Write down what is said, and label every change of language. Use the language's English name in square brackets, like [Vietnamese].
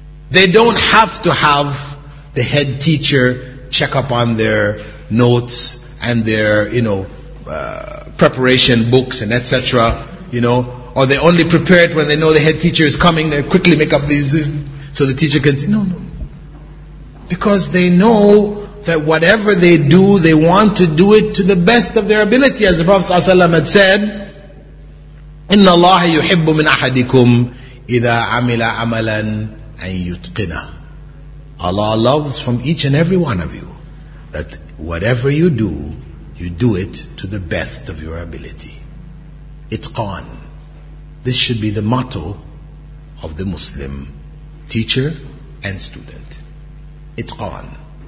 [English] They don't have to have the head teacher check up on their notes and their, you know, preparation books and etc., you know, or they only prepare it when they know the head teacher is coming. They quickly make up these so the teacher can say, no, no. Because they know that whatever they do, they want to do it to the best of their ability. As the Prophet ﷺ had said, [Arabic] إِنَّ اللَّهَ يُحِبُّ مِنْ أَحَدِكُمْ إِذَا عَمِلَ عَمَلًا أَنْ يُتْقِنَ. [English] Allah loves from each and every one of you that whatever you do it to the best of your ability. Itqan. This should be the motto of the Muslim teacher and student. Itqan.